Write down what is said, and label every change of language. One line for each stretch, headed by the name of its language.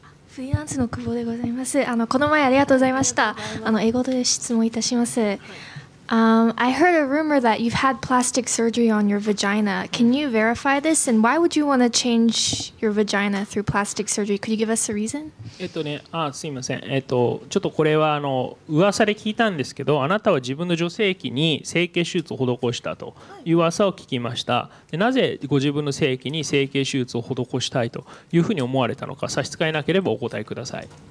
Japanese: フリーランスの久保でございます。この前ありがとうございました。英語で質問いたします。
English: I heard a rumor that you've had plastic surgery on your vagina. Can you verify this? And why would you want to change your vagina through plastic surgery? Could you give us a reason?
Japanese: すいません。ちょっとこれは噂で聞いたんですけど、あなたは自分の女性器に整形手術を施したという噂を聞きました。で、なぜご自分の性器に整形手術を施したいというふうに思われたのか、差し支えなければお答えください。